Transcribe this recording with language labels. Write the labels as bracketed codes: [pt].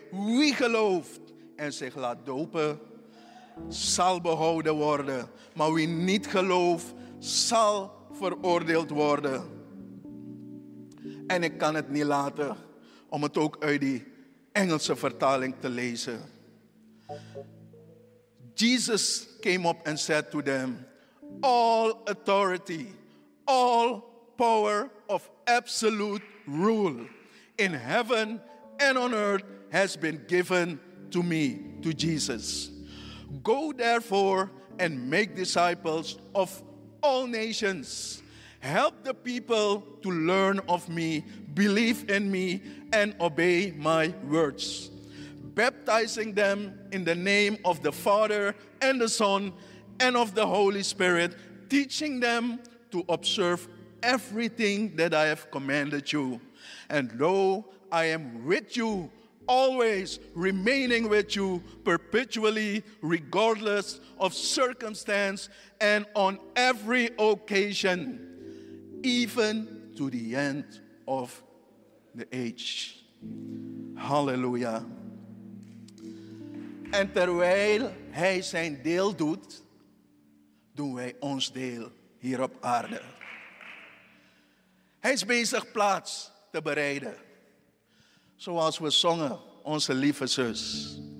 [nl] Wie gelooft en zich laat dopen, zal behouden worden. Maar wie niet gelooft, zal veroordeeld worden. En ik kan het niet laten om het ook uit die Engelse vertaling te lezen. [en] Jesus came up and said to them, all authority, all power of absolute rule in heaven and on earth has been given to me, to Jesus. Go therefore and make disciples of all nations. Help the people to learn of me, believe in me, and obey my words, baptizing them in the name of the Father and the Son and of the Holy Spirit, teaching them to observe everything that I have commanded you. And lo, I am with you, always remaining with you, perpetually, regardless of circumstance and on every occasion, even to the end of the age. Hallelujah. [nl] En terwijl hij zijn deel doet, doen wij ons deel hier op aarde. Hij is bezig plaats te bereiden. Zoals we zongen, onze lieve zus.